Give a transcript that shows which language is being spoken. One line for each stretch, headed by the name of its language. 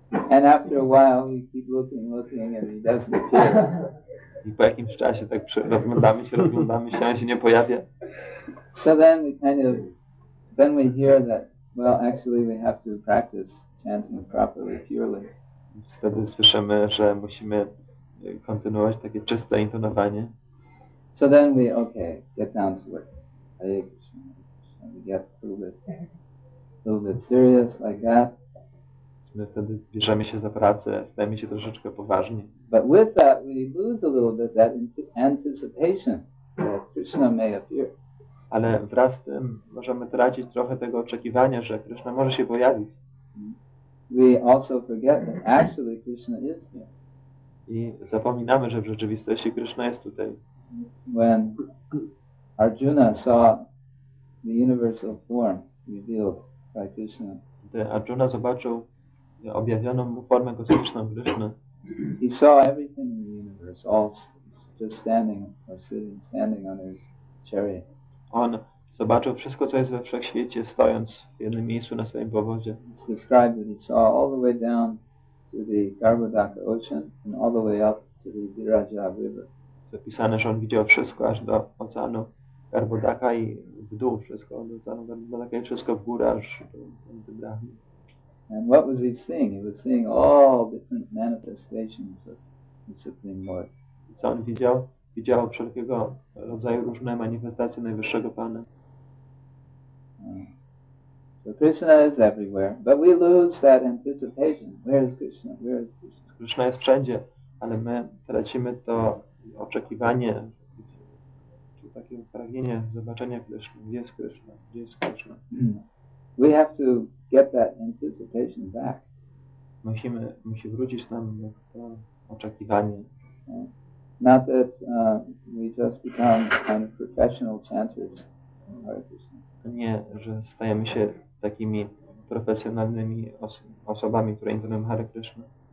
English: And after a while we keep looking and he doesn't appear.
Polish: I po jakimś czasie tak rozglądamy się, on się nie pojawia.
English: So then we kind of then we hear that well actually we have to practice chanting properly, purely.
Polish: Wtedy słyszymy, że musimy kontynuować takie czyste intonowanie.
English: So then we okay, get down to work. Hare Krishna, Hare Krishna. We get a little bit serious like that.
Polish: My wtedy bierzemy się za pracę, stajemy się troszeczkę poważni.
English: But with that we lose a little bit that anticipation that Krishna may appear.
Polish: Ale wraz z tym możemy tracić trochę tego oczekiwania, że Krishna może się pojawić.
English: We also forget that actually Krishna is here.
Polish: I zapominamy, że w rzeczywistości Krishna jest tutaj.
English: When Arjuna saw the universal form revealed by Krishna,
Polish: gdy Arjuna zobaczył objawioną mu formę kosmiczną Krishna,
English: he saw everything in the universe, all just standing or sitting, standing on his chariot.
Polish: On zobaczył wszystko, co jest we wszechświecie, stojąc w jednym miejscu na swoim powozie.
English: It's described that he saw all the way down to the Garbhodaka Ocean and all the way up to the Viraja River.
Polish: Zapisane, że on widział wszystko aż do oceanu Garbhodaka i w dół wszystko, do oceanu Garbhodaka i wszystko w górę aż do Brahmi.
English: And what was he seeing? He was seeing all different manifestations of the Supreme Lord.
Polish: Co on widział? Widział wszelkiego rodzaju różne manifestacje Najwyższego Pana.
English: So Krishna is everywhere, but we lose that anticipation. Where is Krishna? Where is Krishna?
Polish: Krishna jest wszędzie, ale my tracimy to oczekiwanie, czy takie pragnienie zobaczenia Krishna. Gdzie jest Krishna? Gdzie jest Krishna?
English: We have to get that anticipation back.
Polish: Musi wrócić nam to oczekiwanie.
English: Not that we just become kind of professional chanters.
Polish: Nie, że stajemy się takimi profesjonalnymi osobami, które intonują Hare Krishna.